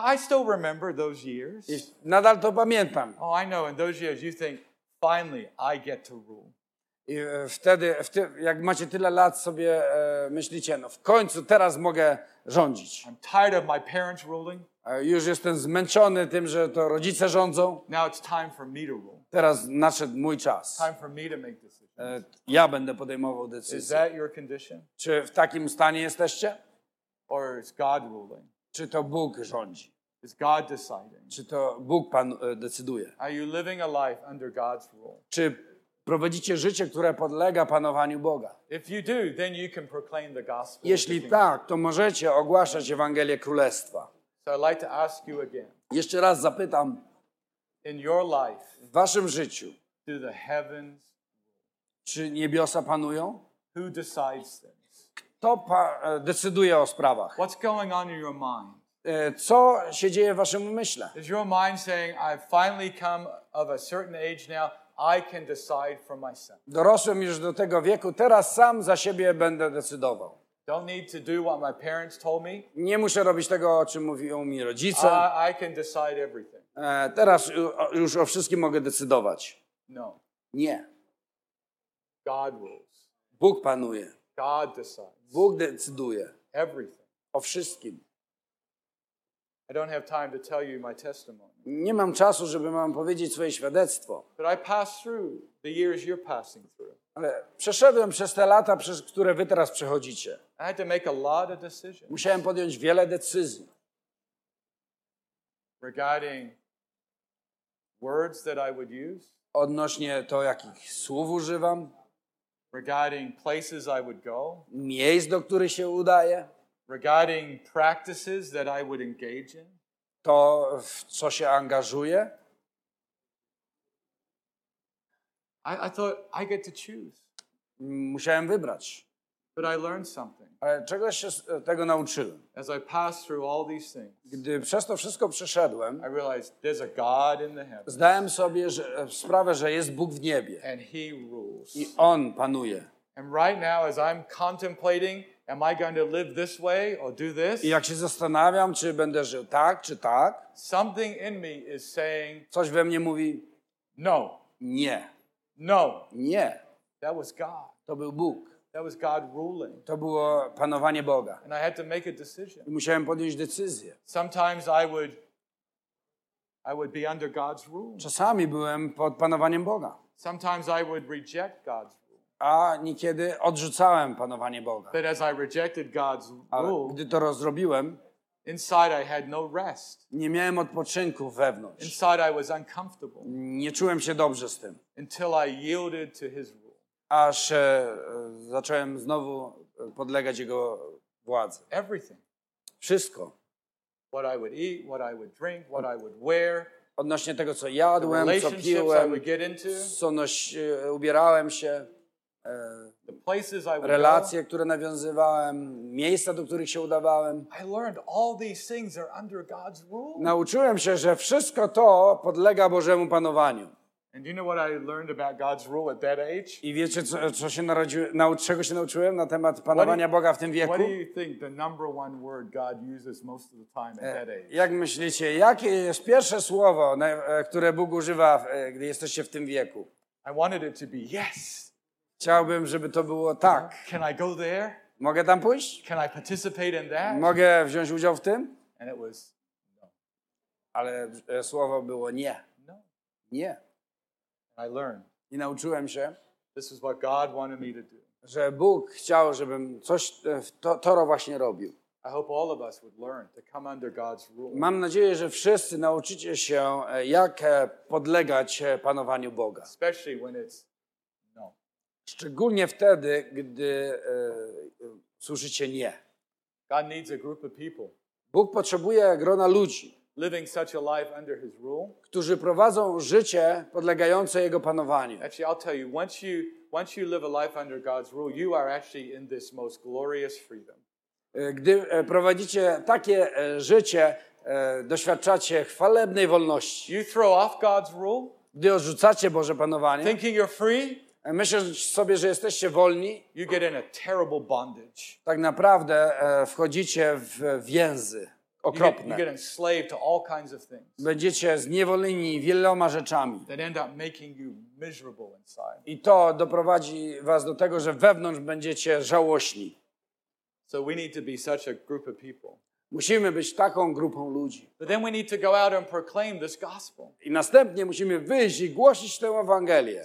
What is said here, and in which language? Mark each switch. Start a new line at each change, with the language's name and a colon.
English: I still remember those years.
Polish: I nadal to pamiętam.
English: Oh, I know. In those years, you think, finally, I get to rule.
Polish: I wtedy, jak macie tyle lat, sobie myślicie, no w końcu teraz mogę rządzić.
English: I'm tired of my parents ruling.
Polish: Już jestem zmęczony tym, że to rodzice rządzą.
English: Now it's time for me to rule.
Polish: Teraz nadszedł mój czas.
English: Time for me to make decisions.
Polish: Ja będę podejmował decyzje.
English: Is that your condition?
Polish: Czy w takim stanie jesteście?
English: Or is God ruling?
Polish: Czy to Bóg rządzi?
English: Is God deciding?
Polish: Czy to Bóg Pan decyduje?
English: Are you living a life under God's rule?
Polish: Czy prowadzicie życie, które podlega panowaniu Boga?
English: If you do, then you can proclaim the gospel.
Polish: Jeśli tak, to możecie ogłaszać Ewangelię Królestwa.
English: So I'd like to ask you again.
Polish: Jeszcze raz zapytam.
English: In your life,
Polish: w waszym życiu,
English: do the heavens,
Polish: czy niebiosa panują?
English: Who decides this?
Polish: Kto decyduje o sprawach?
English: What's going on in your mind?
Polish: Co się dzieje w waszym umyśle?
English: Is your mind saying, I've finally come of a certain age now, I can decide for myself.
Polish: Dorosłem już do tego wieku, teraz sam za siebie będę decydował.
English: Don't need to do what my parents told me.
Polish: Nie muszę robić tego, o czym mówią mi rodzice.
English: I can decide everything.
Polish: Teraz już o wszystkim mogę decydować.
English: No.
Polish: Nie.
English: God rules.
Polish: Bóg panuje.
English: God decides.
Polish: Bóg decyduje.
English: Everything.
Polish: O wszystkim.
English: I don't have time to tell you my testimony.
Polish: Nie mam czasu, żeby wam powiedzieć swoje świadectwo.
English: But I pass through the years you're passing through.
Polish: Ale przeszedłem przez te lata, przez które wy teraz przechodzicie.
English: I had to make a lot of decisions.
Polish: Musiałem podjąć wiele decyzji.
English: Regarding words that I would use.
Polish: Odnośnie to, jakich słów używam.
English: Regarding places I would go.
Polish: Miejsc, do których się udaję.
English: regarding practices that I would engage in.
Polish: To, w co się angażuję.
English: I thought I get to choose.
Polish: Musiałem wybrać.
English: But I learned something.
Polish: Ale czegoś się z tego nauczyłem.
English: As I passed through all these things,
Polish: gdy przez to wszystko przeszedłem,
English: I realized there's a God in the heavens.
Polish: Zdałem sobie sprawę, że jest Bóg w niebie.
English: And he rules.
Polish: I On panuje.
English: And right now, as I'm contemplating, am I going to live this way or do this?
Polish: I jak się zastanawiam, czy będę żył tak, czy tak?
English: Something in me is saying.
Polish: Coś we mnie mówi.
English: No.
Polish: Nie.
English: No.
Polish: Nie.
English: That was God.
Polish: To był Bóg.
English: That was God ruling.
Polish: To było panowanie Boga.
English: And I had to make a decision.
Polish: I musiałem podjąć decyzję.
English: Sometimes I would be under God's rule.
Polish: Czasami byłem pod panowaniem Boga.
English: Sometimes I would reject God's rule.
Polish: A niekiedy odrzucałem panowanie Boga.
English: But as I rejected God's rule,
Polish: ale gdy to rozrobiłem,
English: inside I had no rest.
Polish: Nie miałem odpoczynku wewnątrz.
English: Inside I was uncomfortable.
Polish: Nie czułem się dobrze z tym.
English: Until I yielded to his rule.
Polish: Aż zacząłem znowu podlegać jego władzy.
English: Everything.
Polish: Wszystko.
English: What I would eat, what I would drink, what I would wear.
Polish: Odnośnie tego, co jadłem, co piłem,
English: I would get into,
Polish: co ubierałem się.
English: The places I would
Polish: relacje, które nawiązywałem, miejsca, do których się udawałem.
English: I learned all these things are under God's rule.
Polish: Nauczyłem się, że wszystko to podlega Bożemu panowaniu.
English: And you know what I learned about God's rule at that age?
Polish: I wiecie, czego się nauczyłem na temat panowania Boga w tym wieku?
English: What do you think the number one word God uses most of the time at that age?
Polish: Jak myślicie, jakie jest pierwsze słowo, które Bóg używa, gdy jesteście w tym wieku?
English: I wanted it to be yes.
Polish: Chciałbym, żeby to było tak.
English: Can I go there?
Polish: Mogę tam pójść?
English: Can I participate in that?
Polish: Mogę wziąć udział w tym?
English: And it was no.
Polish: Ale słowo było nie.
English: No.
Polish: Nie.
English: I learned.
Polish: I nauczyłem się.
English: This is what God wanted me to do.
Polish: Że Bóg chciał, żebym coś to właśnie robił.
English: I hope all of us would learn to come under God's rule.
Polish: Mam nadzieję, że wszyscy nauczycie się, jak podlegać panowaniu Boga.
English: Especially when it's no.
Polish: Szczególnie wtedy, gdy słyszycie nie.
English: God needs a group of people.
Polish: Bóg potrzebuje grona ludzi.
English: Living such a life under his rule.
Polish: Którzy prowadzą życie podlegające jego panowaniu.
English: Actually, I'll tell you, once you live a life under God's rule, you are actually in this most glorious freedom.
Polish: Gdy prowadzicie takie życie, doświadczacie chwalebnej wolności.
English: You throw off God's rule.
Polish: Gdy odrzucacie Boże panowanie.
English: Thinking you're free.
Polish: Myśląc sobie, że jesteście wolni.
English: You get in a terrible bondage.
Polish: Tak naprawdę wchodzicie w więzy. Okropne.
English: You get enslaved to all kinds of things.
Polish: Będziecie zniewoleni wieloma rzeczami.
English: That end up making you miserable inside.
Polish: I to doprowadzi was do tego, że wewnątrz będziecie żałośni.
English: So we need to be such a group of people.
Polish: Musimy być taką grupą ludzi.
English: But then we need to go out and proclaim this gospel.
Polish: I następnie musimy wyjść i głosić tę Ewangelię.